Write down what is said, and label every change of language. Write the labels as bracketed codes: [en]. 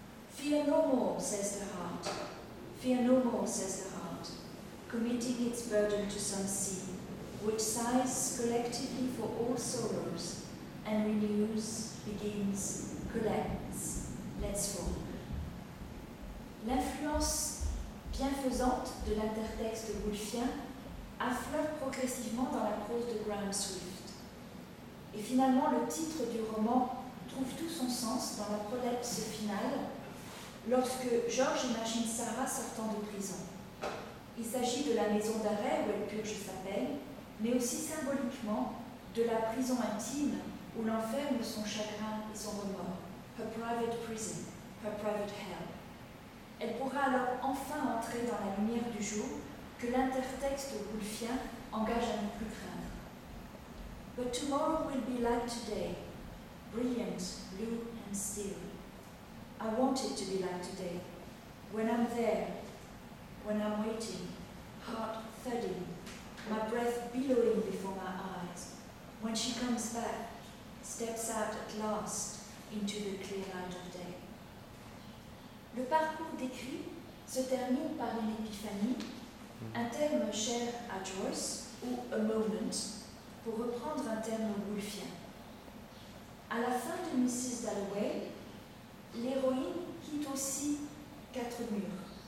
[en] Fear no more, says the heart, fear no more, says the heart, committing its burden to some sea, which sighs collectively for all sorrows, and renews, begins, collects, lets fall. [fr] L'influence bienfaisante de l'intertexte wolfien affleure progressivement dans la prose de Graham Swift. Et finalement, le titre du roman trouve tout son sens dans la prolepse finale, lorsque George imagine Sarah sortant de prison. Il s'agit de la maison d'arrêt où elle purge sa peine, mais aussi symboliquement de la prison intime où l'enferme son chagrin et son remords. [en] Her private prison, her private hell. [fr] Elle pourra alors enfin entrer dans la lumière du jour que l'intertexte wolfien engage à ne plus craindre. [en] But tomorrow will be like today, brilliant, blue and still. I want it to be like today, when I'm there, when I'm waiting, heart thudding, my breath billowing before my eyes, when she comes back, steps out at last into the clear light of day. [fr] Le parcours décrit se termine par une épiphanie, un terme cher à Joyce, ou « a moment », pour reprendre un terme wolfien. À la fin de Mrs. Dalloway, l'héroïne quitte aussi quatre murs.